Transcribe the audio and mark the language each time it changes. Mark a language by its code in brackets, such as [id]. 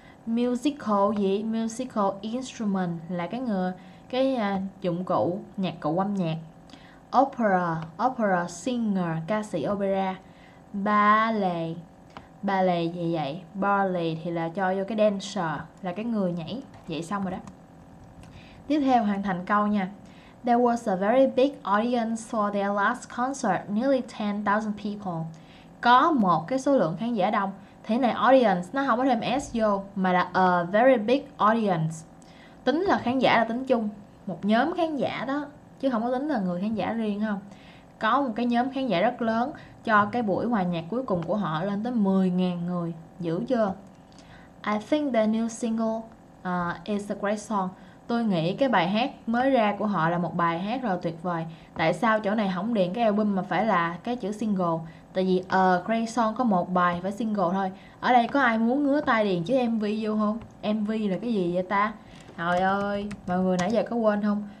[vi] Musical gì? Musical instrument là cái người, cái dụng cụ, nhạc cụ âm nhạc. Opera, opera singer, ca sĩ opera. Ballet, ballet gì vậy? Ballet thì là cho vô cái dancer, là cái người nhảy. Vậy xong rồi đó. Tiếp theo hoàn thành câu nha. [en] There was a very big audience for their last concert, nearly 10,000 people. [vi] Có một cái số lượng khán giả đông. Thế này audience, nó không có thêm S vô, mà là [en] a very big audience. [vi] Tính là khán giả là tính chung, một nhóm khán giả đó, chứ không có tính là người khán giả riêng không. Có một cái nhóm khán giả rất lớn cho cái buổi hòa nhạc cuối cùng của họ lên tới 10,000 người. Dữ chưa? [en] I think the new single is a great song. [vi] Tôi nghĩ cái bài hát mới ra của họ là một bài hát rất tuyệt vời. Tại sao chỗ này không điện cái album mà phải là cái chữ single? Tại vì [en] a great song [vi] có một bài phải single thôi. Ở đây có ai muốn ngứa tai điền chứ MV vô không? MV là cái gì vậy ta? Trời ơi, mọi người nãy giờ có quên không?